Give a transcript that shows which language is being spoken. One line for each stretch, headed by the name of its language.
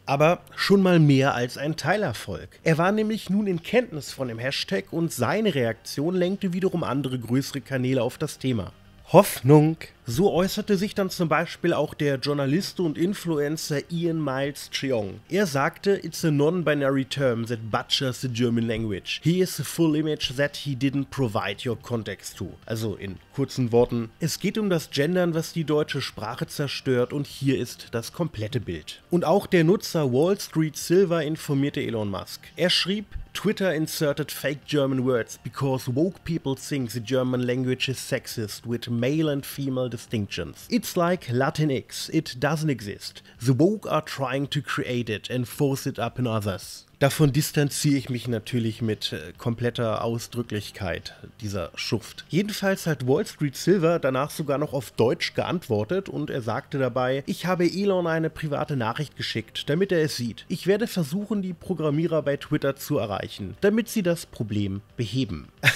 German: Aber schon mal mehr als ein Teilerfolg. Er war nämlich nun in Kenntnis von dem Hashtag und seine Reaktion lenkte wiederum andere größere Kanäle auf das Thema. Hoffnung. So äußerte sich dann zum Beispiel auch der Journalist und Influencer Ian Miles Cheong. Er sagte,
English: it's a non-binary term that butchers the German language. He is a full image that he didn't provide your context to.
German: Also in kurzen Worten, es geht um das Gendern, was die deutsche Sprache zerstört und hier ist das komplette Bild. Und auch der Nutzer Wall Street Silver informierte Elon Musk. Er schrieb,
English: Twitter inserted fake German words because woke people think the German language is sexist with male and female distinctions. It's like Latinx, it doesn't exist. The woke are trying to create it and force it up in others.
German: Davon distanziere ich mich natürlich mit kompletter Ausdrücklichkeit dieser Schuft. Jedenfalls hat Wall Street Silver danach sogar noch auf Deutsch geantwortet und er sagte dabei, ich habe Elon eine private Nachricht geschickt, damit er es sieht. Ich werde versuchen, die Programmierer bei Twitter zu erreichen, damit sie das Problem beheben.